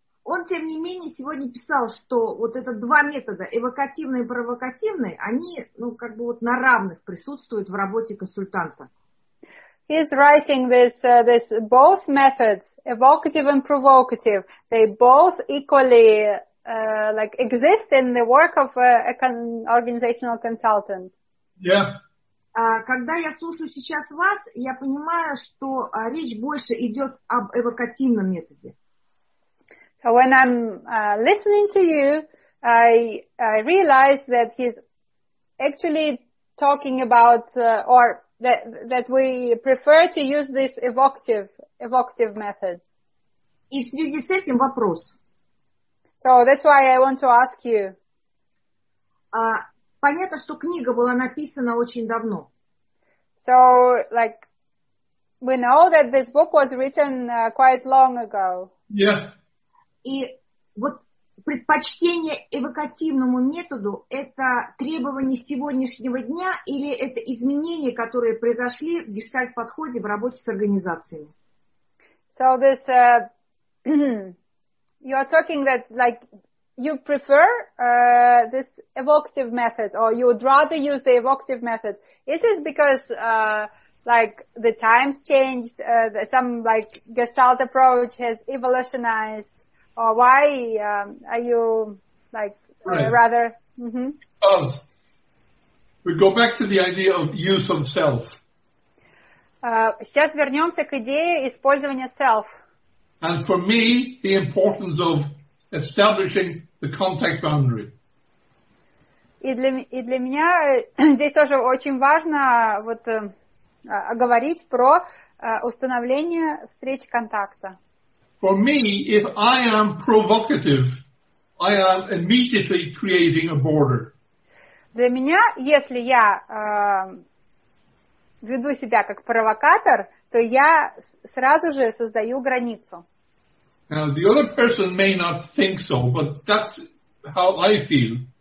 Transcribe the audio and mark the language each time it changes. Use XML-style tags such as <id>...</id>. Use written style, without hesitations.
<ru>Он, тем не менее, сегодня писал, что вот это два метода, эвокативный и провокативный, они, ну, как бы вот на равных присутствуют в работе консультанта.</ru> <en>He's writing this, this both methods, evocative and provocative, they both equally, like, exist in the work of organizational consultant. Yeah.</en> <ru>Когда я слушаю сейчас вас, я понимаю, что речь больше идет об эвокативном методе.</ru> <en>So when I'm listening to you, I realize that he's actually talking about, or that we prefer to use this evocative method.</en> <ru>И в связи с этим вопрос.</ru> <en>So that's why I want to ask you.</en> <ru>Понятно, что книга была написана очень давно.</ru> <en>So, like, we know that this book was written quite long ago. Yeah.</en> <ru>И вот предпочтение эвокативному методу – это требование сегодняшнего дня или это изменения, которые произошли в гештальт-подходе в работе с организациями?</ru> <en>So this, you are talking that, like, you prefer this evocative method, or you would rather use the evocative method. Is it because, like, the times changed, some, like, gestalt approach has evolutionized? Or why are you, like, right. rather... Because we go back to the idea of use of self.</en> <ru>Сейчас вернемся к идее использования self.</ru> <en>And for me, the importance of establishing the contact boundary.</en> <ru>И для меня здесь тоже очень важно вот говорить про установление встречи контакта.</ru> <en>For me, if I am provocative, I am immediately creating a border.</en> <ru>Для меня, если я веду себя как провокатор, то я сразу же создаю границу.</ru> <en>Now, the other person may not think so, but that's how I feel.</en>